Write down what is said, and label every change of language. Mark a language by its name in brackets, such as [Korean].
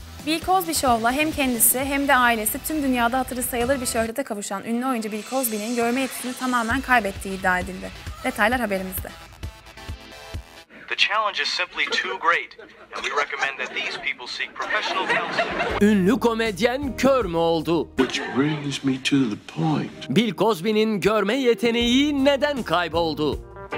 [Turkish] Bill Cosby Show'la hem kendisi hem de ailesi tüm dünyada hatırı sayılır bir şöhrete kavuşan ünlü oyuncu Bill Cosby'nin görme yetisini tamamen kaybettiği iddia edildi. Detaylar haberimizde. [English] The challenge is simply too great and we recommend that these people seek professional counseling. [Turkish] Ünlü komedyen kör mü oldu? [English] Which brings me to the point. [Turkish] Bill Cosby'nin görme yeteneği neden kayboldu?